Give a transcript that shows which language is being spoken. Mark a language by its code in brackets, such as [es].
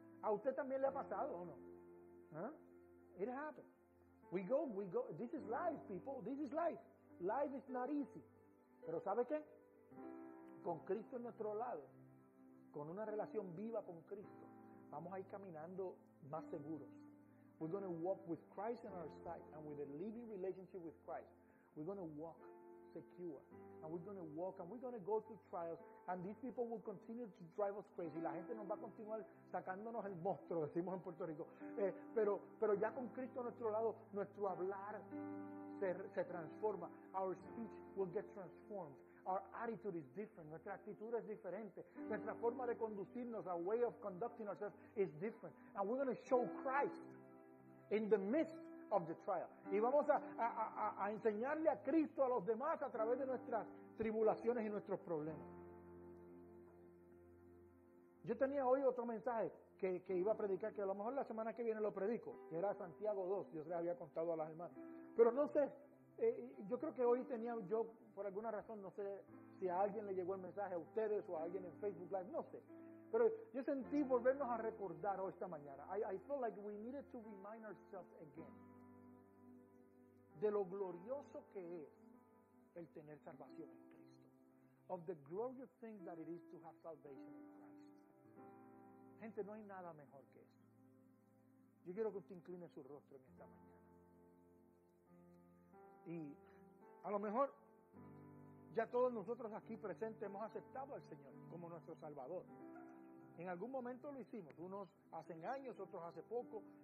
[es] ¿A usted también le ha pasado o no? [en] ¿Eh? It happens. We go. This is life, people. This is life. Life is not easy. [es] Pero ¿sabe qué? Con Cristo en nuestro lado, con una relación viva con Cristo, vamos a ir caminando más seguros. [en] We're going to walk with Christ in our sight and with a living relationship with Christ. We're going to walk secure. And we're going to walk and we're going to go through trials. And these people will continue to drive us crazy. [es] La gente nos va a continuar sacándonos el monstruo, decimos en Puerto Rico. Pero ya con Cristo a nuestro lado, nuestro hablar se transforma. [en] Our speech will get transformed. Our attitude is different. [es] Nuestra actitud es diferente. Nuestra forma de conducirnos, [en] our way of conducting ourselves is different. And we're going to show Christ in the midst of the trial. [es] Y vamos a enseñarle a Cristo a los demás a través de nuestras tribulaciones y nuestros problemas. Yo tenía hoy otro mensaje que iba a predicar, que a lo mejor la semana que viene lo predico, que era Santiago 2, yo se les había contado a las hermanas. Pero no sé, yo creo que hoy tenía yo, por alguna razón, no sé si a alguien le llegó el mensaje, a ustedes o a alguien en Facebook Live, no sé. Pero yo sentí volvernos a recordar hoy esta mañana. [en] I felt like we needed to remind ourselves again [es] de lo glorioso que es el tener salvación en Cristo. [en] Of the glorious thing that it is to have salvation in Christ. [es] Gente, no hay nada mejor que eso. Yo quiero que usted incline su rostro en esta mañana. Y a lo mejor ya todos nosotros aquí presentes hemos aceptado al Señor como nuestro Salvador. En algún momento lo hicimos, unos hace años, otros hace poco.